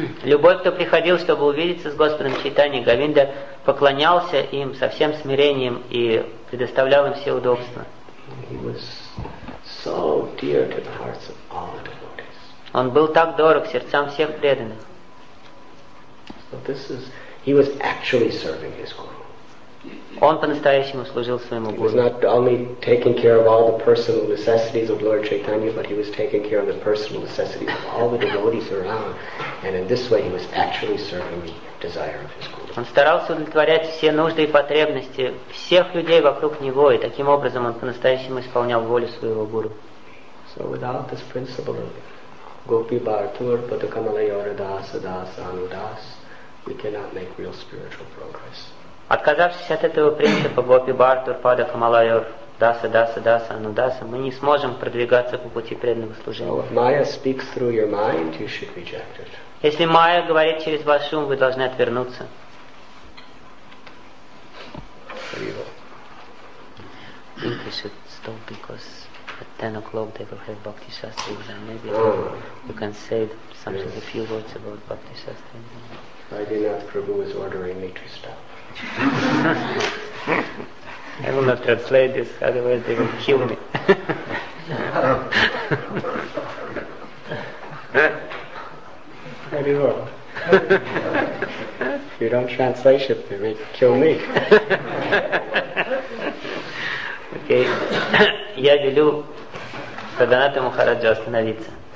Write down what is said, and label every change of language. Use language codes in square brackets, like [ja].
[ru] Любой, кто приходил, чтобы увидеться с Господом Чайтанье, Говинда поклонялся им со всем смирением и предоставлял им все удобства. [en] He was so dear to the hearts of all the devotees. [ru] Он был так дорог сердцам всех преданных. [en] So this is, he was actually serving his guru. [ru] Он по-настоящему служил своему гуру. [en] He was not only taking care of all the personal necessities of Lord Chaitanya, but he was taking care of the personal necessities of all the devotees around. And in this way, he was actually serving the desire of his guru. [ru] Он старался удовлетворять все нужды и потребности всех людей вокруг него, и таким образом он по-настоящему исполнял волю своего гуру. [en] So without this principle of Gopi Bhartur, Padakamala Yoradasa Dasa Anudas, we cannot make real spiritual progress. [ru] Отказавшись от этого принципа Гопи Бхартур, Падакамала Йордаса, Даса, Даса, Анудаса, мы не сможем продвигаться по пути преданного служения. [en] If Maya speaks through your mind, you should reject it. [ru] Если Майя говорит через ваш ум, вы должны отвернуться. [en] You should stop because at 10 o'clock they will have Bhakti Shastri exam. Maybe you can say something, yes. A few words about Bhakti Shastri. Vaidyanath Prabhu is ordering me to stop. I will not translate this, otherwise they will kill me. Very well. If you don't translate it, they may kill me. Okay. [ru] Я велю Каданата Мухараджа остановиться.